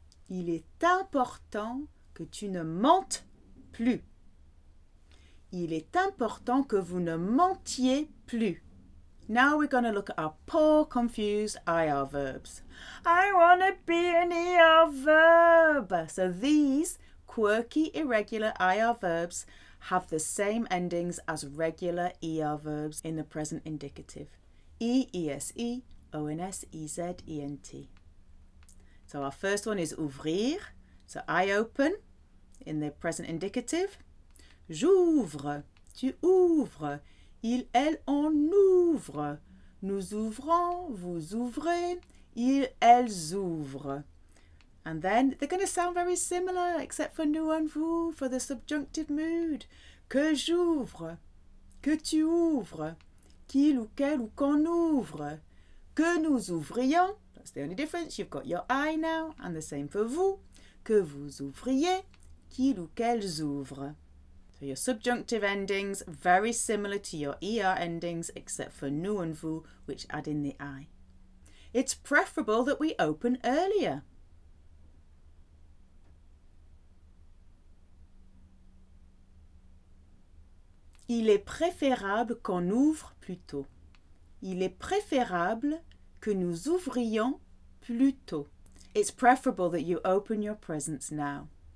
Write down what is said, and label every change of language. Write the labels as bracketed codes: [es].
[fr] Il est important que tu ne mentes plus. Il est important que vous ne mentiez plus. [en] Now we're going to look at our poor, confused IR verbs. I want to be an ER verb. So these quirky, irregular IR verbs have the same endings as regular ER verbs in the present indicative. E-E-S-E, O-N-S, E-Z-E-N-T. So our first one is ouvrir. So I open in the present indicative. [fr] J'ouvre, tu ouvres. Il, elle, on ouvre. Nous ouvrons, vous ouvrez. Ils, elles ouvrent. [en] And then they're going to sound very similar, except for nous and vous, for the subjunctive mood. [fr] Que j'ouvre, que tu ouvres, qu'il ou qu'elle ou qu'on ouvre, que nous ouvrions. [en] That's the only difference. You've got your I now, and the same for vous. [fr] Que vous ouvriez, qu'il ou qu'elles ouvrent. [en] So your subjunctive endings, very similar to your ER endings, except for nous and vous, which add in the I. It's preferable that we open earlier. [fr] Il est préférable qu'on ouvre plus tôt. Il est préférable que nous ouvrions plus tôt. [en] It's preferable that you open your presents now.